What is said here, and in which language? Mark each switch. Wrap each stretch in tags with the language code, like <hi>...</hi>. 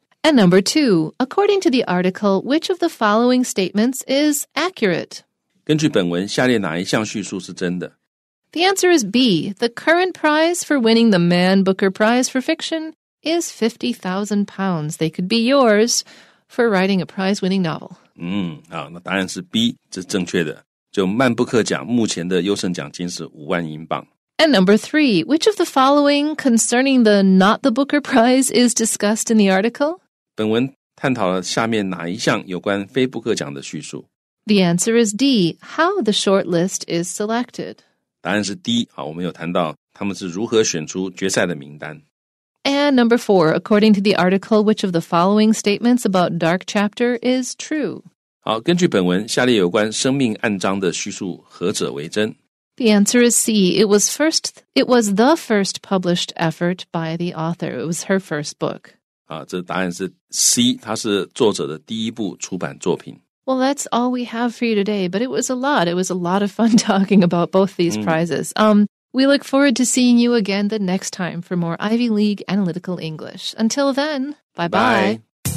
<en>And number two, according to the article, which of the following statements is accurate?</en> <zh>根据本文，下列哪一项叙述是真的？</zh> <en>The answer is B, the current prize for winning the Man Booker Prize for Fiction is £50,000. They could be yours for writing a prize-winning novel.</en> <zh>好，那答案是 B, 这是正确的。就曼布克奖目前的优胜奖金是50,000英镑。</zh> <en>And number three, which of the following concerning the Not the Booker Prize is discussed in the article?</en> <zh>本文探讨了下面哪一项有关非布克奖的叙述。</zh> <en>The answer is D, how the shortlist is selected.</en> <zh>答案是 D, 好，我们有谈到他们是如何选出决赛的名单。</zh> <en>And number four, according to the article, which of the following statements about Dark Chapter is true?</en> <zh>好，根据本文，下列有关生命暗章的叙述何者为真？</zh> <en>The answer is C. It was the first published effort by the author. It was her first book.</en> <zh>这答案是 C. 它是作者的第一部出版作品。</zh> <en>Well, that's all we have for you today, but it was a lot. It was a lot of fun talking about both these prizes. We look forward to seeing you again the next time for more Ivy League Analytical English. Until then, bye-bye. Bye.</en>